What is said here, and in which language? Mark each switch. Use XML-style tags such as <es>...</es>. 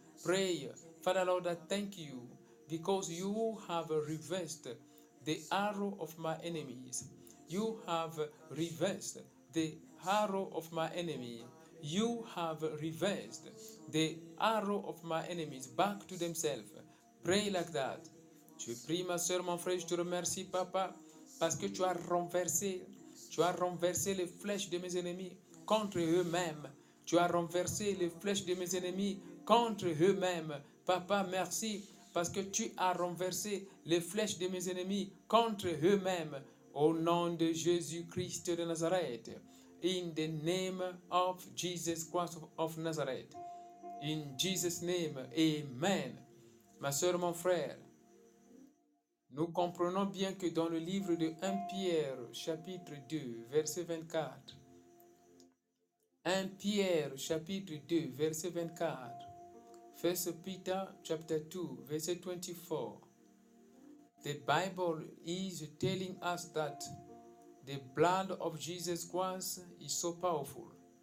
<en>Pray, Father Lord, I thank you because you have reversed the arrow of my enemies. You have reversed the arrow of my enemy. You have reversed the arrow of my enemies back to themselves. Pray like that.</en> <fr>Je prie, ma soeur, mon frère, je te remercie, papa, parce que tu as renversé les flèches de mes ennemis contre eux-mêmes. Tu as renversé les flèches de mes ennemis contre eux-mêmes. Papa, merci, parce que tu as renversé les flèches de mes ennemis contre eux-mêmes. Au nom de Jésus-Christ de Nazareth.</fr> <en>In the name of Jesus Christ of Nazareth. In Jesus' name, amen.</en> <fr>Ma soeur, mon frère, Nous comprenons bien que dans le livre de 1 Pierre, chapitre 2, verset 24, 1 Pierre, chapitre 2, verset 24,</fr> <en>1 Peter, chapter 2, verset 24, the Bible is telling us that the blood of Jesus Christ is so powerful.</en>